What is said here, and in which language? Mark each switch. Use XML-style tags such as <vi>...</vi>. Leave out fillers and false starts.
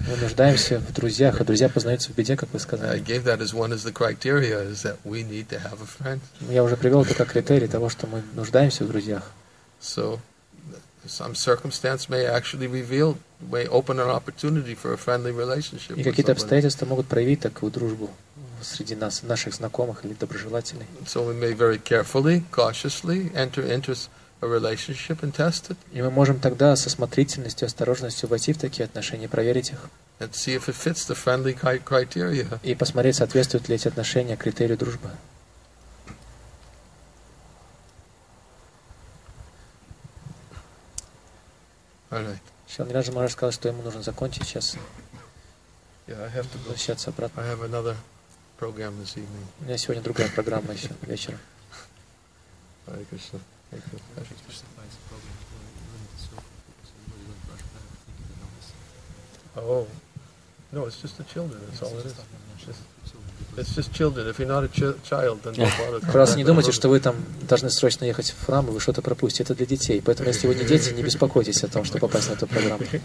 <ru>Мы нуждаемся в друзьях, а друзья познаются в беде, как вы сказали.</ru> <en>I gave that as one of the criteria, is that we need to have a friend.</en> <ru>Я уже привел это как критерий того, что мы нуждаемся в друзьях.</ru> <en>So, some circumstance may actually reveal, may open an opportunity for a friendly relationship.</en> <ru>И какие-то обстоятельства могут проявить такую дружбу среди нас, наших знакомых или доброжелателей.</ru> <en>So we may very carefully, cautiously enter interest. A relationship and test it.</en> <ru>И мы можем тогда со осмотрительностью, осторожностью войти в такие отношения, проверить их.</ru> <en>And see if it fits the friendly criteria.</en> <ru>И посмотреть, соответствуют ли эти отношения критерию дружбы.</ru> <en>Right.</en> <ru>Шилнираджа Махарадж сказал, что ему нужно закончить сейчас.</ru> <en>Yeah, I have to go.</en> <ru>Возвращаться обратно.</ru> <en>I have another program this evening.</en> <ru>У меня сегодня другая программа еще вечером.</ru> <en>Hare Krishna. Oh, no, it's just the children, that's all it is. It's just children. If you're not a child, then don't bother.</en> <ru>Просто не думайте, что вы там должны срочно ехать в храм, и вы что-то пропустите. Это для детей. Поэтому, если вы не дети, не беспокойтесь о том, чтобы попасть на эту программу.</ru>